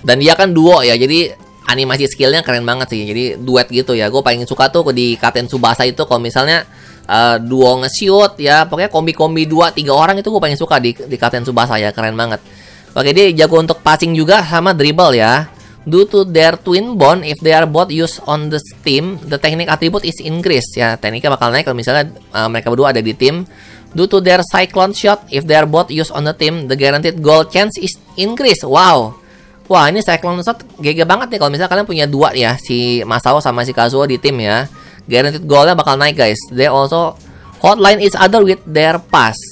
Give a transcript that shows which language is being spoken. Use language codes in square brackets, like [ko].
[id] Dan dia kan duo ya, jadi animasi skillnya keren banget sih, jadi duet gitu ya. Gue paling suka tuh di Captain Tsubasa itu kalau misalnya duo nge-shoot ya, pokoknya kombi-kombi 2-3 orang itu gue paling suka di Captain Tsubasa ya, keren banget. Oke, dia jago untuk passing juga sama dribble ya. [en] Due to their twin bond, if they are both used on the team, the technique attribute is increased. [id] Ya, tekniknya bakal naik kalau misalnya mereka berdua ada di tim. [en] Due to their cyclone shot, if they are both used on the team, the guaranteed goal chance is increased. Wow. [id] Wah, ini cyclone shot GG banget nih kalau misalnya kalian punya dua ya, si Masao sama si Kazuo di tim ya. Guaranteed goalnya bakal naik guys. [en] They also hotline each other with their pass.